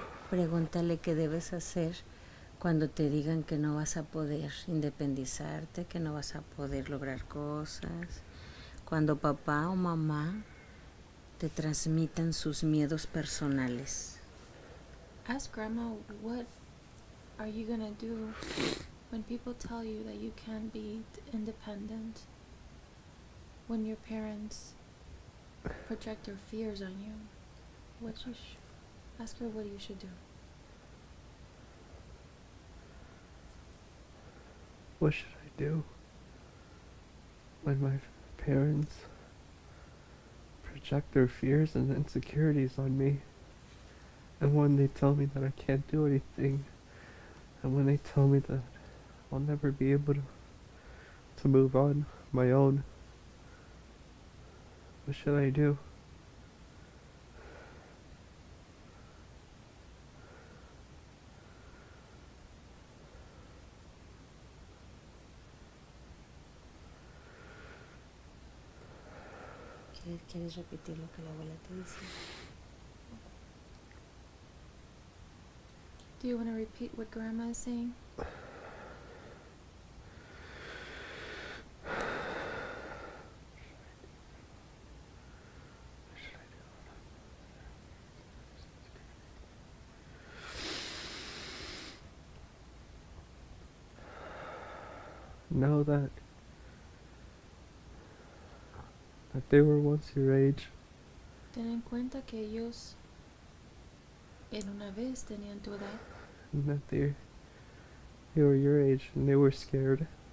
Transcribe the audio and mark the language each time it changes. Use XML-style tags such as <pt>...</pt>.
<es>Pregúntale qué debes hacer cuando te digan que no vas a poder independizarte, que no vas a poder lograr cosas. Cuando papá o mamá te transmitan sus miedos personales.</es> <en>Ask grandma, what are you going to do when people tell you that you can't be independent? When your parents project their fears on you, ask her what you should do. What should I do when my parents project their fears and insecurities on me, and when they tell me that I can't do anything, and when they tell me that I'll never be able to move on my own? What should I do?</en> <es>¿Quieres repetir lo que la abuela te dice?</es> <en>Do you want to repeat what Grandma is saying? Know that they were once your age.</en> <es>Ten en cuenta que ellos en una vez tenían tu edad.</es> <en>And that they were your age and they were scared.</en>